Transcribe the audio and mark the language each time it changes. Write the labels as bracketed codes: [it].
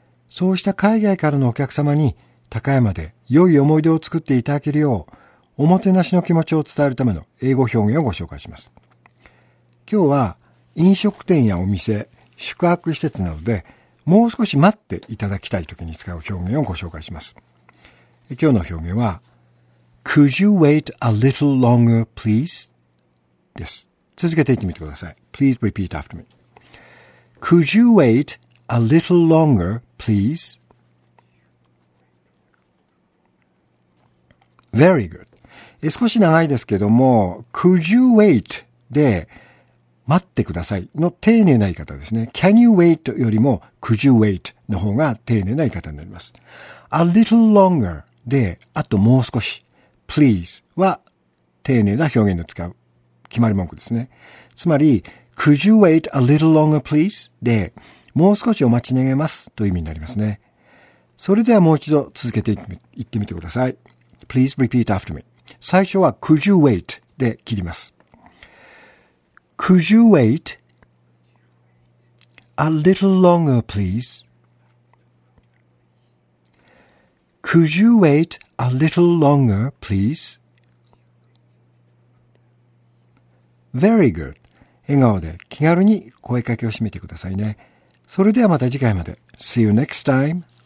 [ja] そうした海外からのお客様に高山で良い思い出を作っていただけるよう、おもてなしの気持ちを伝えるための英語表現をご紹介します。今日は飲食店やお店、宿泊施設などでもう少し待っていただきたいときに使う表現をご紹介します。今日の表現は [en] Could you wait a little longer, please? [ja] です。続けて言ってみてください。 [en] Please repeat after me. Could you wait a little longer, please? Very good. [ja] 少し長いですけども [en] Could you wait? [ja] で待ってくださいの丁寧な言い方ですね。 [en] Can you wait? [ja] よりも [en] Could you wait? [ja] の方が丁寧な言い方になります。 [en] A little longer. [ja] で、あともう少し、please は丁寧な表現の使う決まり文句ですね。つまり、 [en] could you wait a little longer please? [ja] で、もう少しお待ち願いますという意味になりますね。それではもう一度続けて言ってみてください。 [en] Please repeat after me. [ja] 最初は [en] could you wait [ja] で切ります。 [en] Could you wait a little longer please? Could you wait a little longer, please? Very good. [ja] 笑顔で気軽に声かけを締めてくださいね。それではまた次回まで。 [en] See you next time.